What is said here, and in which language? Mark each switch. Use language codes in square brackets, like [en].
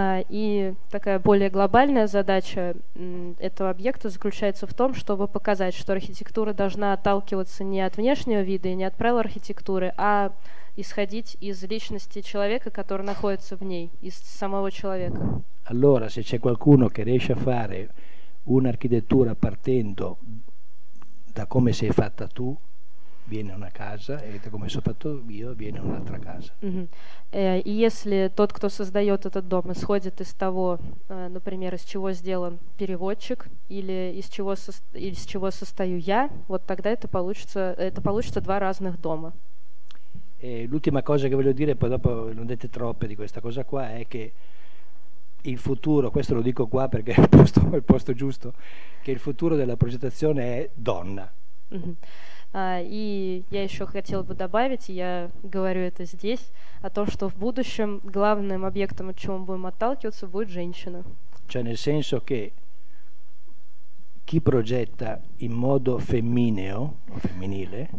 [ru] И такая более глобальная задача этого объекта заключается в том, чтобы показать, что архитектура должна отталкиваться не от внешнего вида и не от правил архитектуры, а исходить из личности человека, который находится в ней, из самого человека. [it] Allora, se c'è qualcuno che riesce a fare un'architettura partendo da come sei fatta tu, viene una casa, e da come sono fatto io, viene un'altra casa. [ru] И если тот, кто создает этот дом, исходит из того, например, из чего сделан переводчик, или из чего состою я, вот тогда это получится два разных дома. [it] L'ultima cosa che voglio dire, poi dopo non dite troppe di questa cosa qua, è che il futuro, questo lo dico qua perché è il posto giusto, che il futuro della progettazione è donna. [ru] И я еще хотела бы добавить, я говорю это здесь, о том, что в будущем главным объектом, от чего мы будем отталкиваться, будет женщина. [it] Cioè, nel senso che chi progetta in modo femmineo, o femminile,